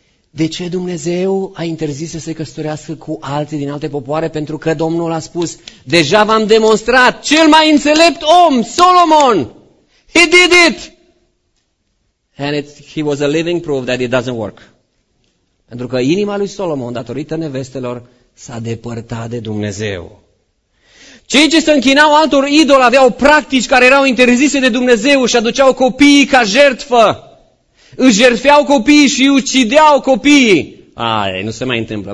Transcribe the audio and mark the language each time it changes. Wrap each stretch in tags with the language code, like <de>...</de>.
<ro>De ce Dumnezeu a interzis să se căsătorească cu alții din alte popoare? Pentru că Domnul a spus, deja v-am demonstrat, cel mai înțelept om, Solomon,</ro> <en>he did it! And he was a living proof that it doesn't work.</en> <ro>Pentru că inima lui Solomon, datorită nevestelor, s-a depărtat de Dumnezeu. Cei ce se închinau altor idoli aveau practici care erau interzise de Dumnezeu și aduceau copiii ca jertfă. Își jertfeau copiii și ucideau copiii. Aia, nu se mai întâmplă.</ro>